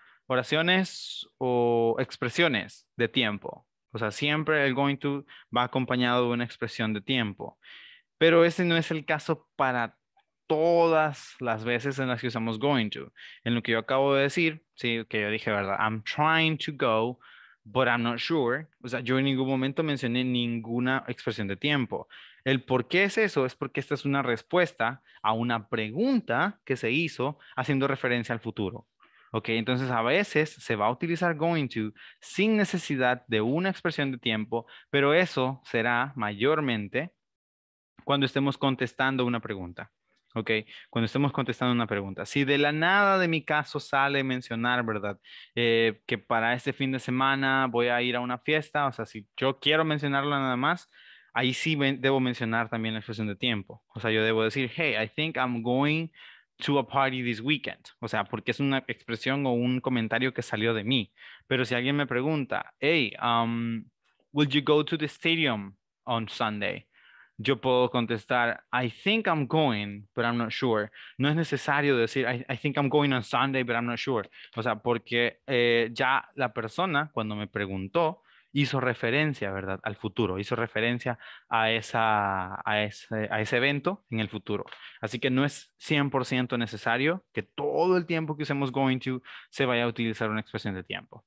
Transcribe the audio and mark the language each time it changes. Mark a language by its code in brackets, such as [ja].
[es] Oraciones o expresiones de tiempo. O sea, siempre el going to va acompañado de una expresión de tiempo. Pero ese no es el caso para todas las veces en las que usamos going to. En lo que yo acabo de decir, sí, que yo dije, ¿verdad? [en] I'm trying to go, but I'm not sure. [es] O sea, yo en ningún momento mencioné ninguna expresión de tiempo. El por qué es eso es porque esta es una respuesta a una pregunta que se hizo haciendo referencia al futuro. Ok, entonces a veces se va a utilizar going to sin necesidad de una expresión de tiempo, pero eso será mayormente cuando estemos contestando una pregunta. Ok, cuando estemos contestando una pregunta. Si de la nada de mi caso sale mencionar, ¿verdad? Que para este fin de semana voy a ir a una fiesta, o sea, si yo quiero mencionarlo nada más, ahí sí debo mencionar también la expresión de tiempo. O sea, yo debo decir, [en] hey, I think I'm going to a party this weekend. [es] O sea, porque es una expresión o un comentario que salió de mí. Pero si alguien me pregunta, [en] hey, will you go to the stadium on Sunday? [es] Yo puedo contestar, [en] I think I'm going, but I'm not sure. [es] No es necesario decir, [en] I think I'm going on Sunday, but I'm not sure. [es] O sea, porque ya la persona, cuando me preguntó, hizo referencia, ¿verdad?, al futuro, hizo referencia a ese evento en el futuro. Así que no es 100% necesario que todo el tiempo que usemos going to se vaya a utilizar una expresión de tiempo.